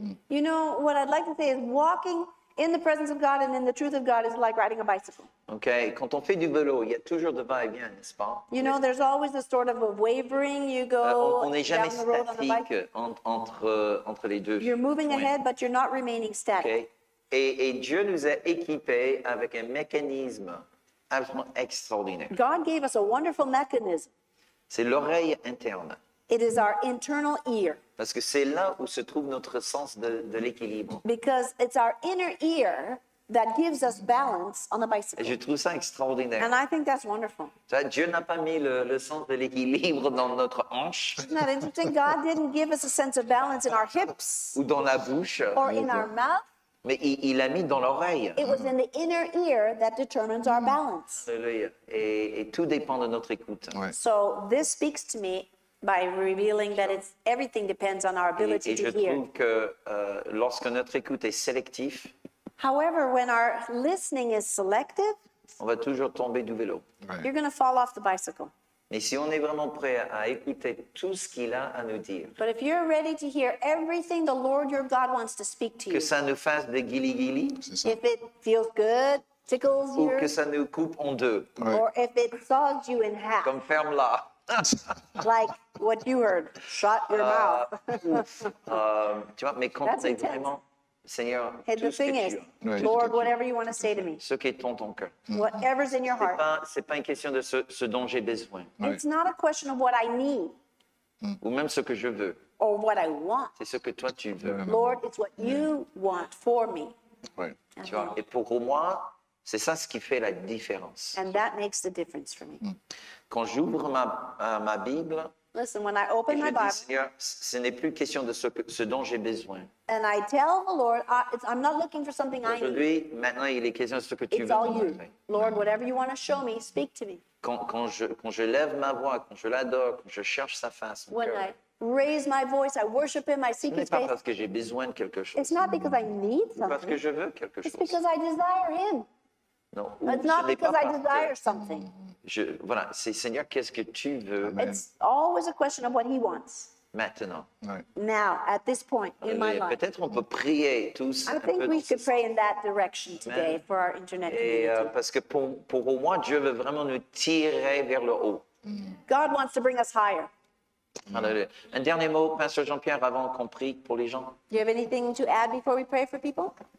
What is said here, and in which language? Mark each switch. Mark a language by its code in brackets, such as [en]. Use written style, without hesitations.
[en] You know, what I'd like to say is walking in the presence of God and in the truth of God is like riding a bicycle. [fr] Okay, quand on fait du vélo, il y a toujours de va-et-vient, n'est-ce pas? [en] You know, there's always a sort of a wavering. You go [fr] on n'est jamais statique entre les deux. [en] You're moving ahead, but you're not remaining static. Okay. [fr] Et Dieu nous a équipés avec un mécanisme absolument extraordinaire. [en] God gave us a wonderful mechanism. [fr] C'est l'oreille interne. [en] It is our internal ear. [fr] Parce que c'est là où se trouve notre sens de l'équilibre. [en] Because it's our inner ear that gives us balance on the bicycle. [fr] Et je trouve ça extraordinaire. [en] And I think that's wonderful. [fr] Dieu n'a pas mis le sens de l'équilibre dans notre hanche. [en] Isn't that interesting? God didn't give us a sense of balance in our hips. [fr] Ou dans la bouche. [en] Or in our mouth. [fr] Mais il l'a mis dans l'oreille. [en] It was in the inner ear that determines our balance. [fr] Alléluia. Et tout dépend de notre écoute. Ouais. [en] So this speaks to me by revealing that it's everything depends on our ability to hear. [fr] Et je trouve que lorsque notre écoute est sélective, [en] however, when our listening is selective, [fr] on va toujours tomber du vélo. [en] Right. You're going to fall off the bicycle. [fr] Mais si on est vraiment prêt à écouter tout ce qu'il a à nous dire, [en] but if you're ready to hear everything the Lord your God wants to speak to you, [fr] que ça nous fasse des guili-guili, [en] if it feels good, tickles [fr] ou que ça nous coupe en deux, [en] right, or if it saws you in half, [fr] comme ferme-la. [en] Like what you heard, shut your mouth. [fr] Tu vois, mais quand c'est vraiment, Seigneur, [en] and the thing is, [fr] tu... [en] Lord, whatever you want to say to me, [fr] ce qui est dans ton cœur, [en] whatever's in your heart, [fr] c'est pas une question de ce dont j'ai besoin. Oui. [en] It's not a question of what I need, [fr] ou même ce que je veux, [en] or what I want. [fr] C'est ce que toi tu veux. [en] Lord, it's what you want for me. [fr] Oui. Tu vois, et pour moi, c'est ça ce qui fait la différence. [en] And that makes the difference for me. [fr] Quand j'ouvre ma Bible, [en] listen, when I open my [fr] Bible, Seigneur, ce n'est plus question de ce dont j'ai besoin. [en] And I tell the Lord, I'm not looking for something I need. [fr] Aujourd'hui, maintenant, il est question de ce que tu [en] it's It's all you. Lord, whatever you want to show me, speak to me. [fr] Quand je lève ma voix, quand je l'adore, quand je cherche sa face, [en] when [fr] cœur, [en] I raise my voice, I worship him, I seek his face. [fr] Ce n'est pas parce que j'ai besoin de quelque chose. [en] It's not because I need something. [fr] Parce que je veux quelque chose. [en] It's because I desire him. [fr] Non, [en] it's not because I desire something. [fr] Voilà, c'est Seigneur, qu'est-ce que tu veux? [en] Amen. It's always a question of what he wants. [fr] Maintenant. Oui. [en] Now, at this point in my life. [fr] Peut-être on peut prier tous. [en] I think we could pray in that direction today for our internet community. [fr] Parce que pour moi, Dieu veut vraiment nous tirer vers le haut. [en] God wants to bring us higher. [fr] Alléluia. Un dernier mot, Pasteur Jean-Pierre, avant qu'on prie pour les gens. [en] Do you have anything to add before we pray for people?